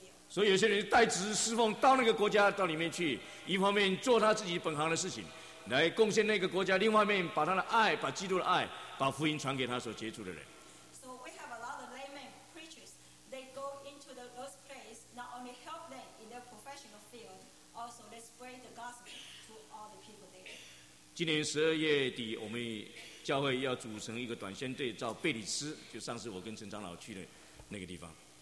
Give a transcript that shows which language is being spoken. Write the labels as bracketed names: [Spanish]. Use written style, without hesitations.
[Chinese] 所以有些人代职侍奉到那个国家到里面去，一方面做他自己本行的事情，来贡献那个国家；另外一面把他的爱、把基督的爱、把福音传给他所接触的人。 [English] So we have a lot of layman preachers. They go into those places, not only help them in their professional field, also they spread the gospel to all the people there. [Chinese] 今年十二月底，我们教会要组成一个短宣队到贝里斯，就上次我跟陈长老去的那个地方。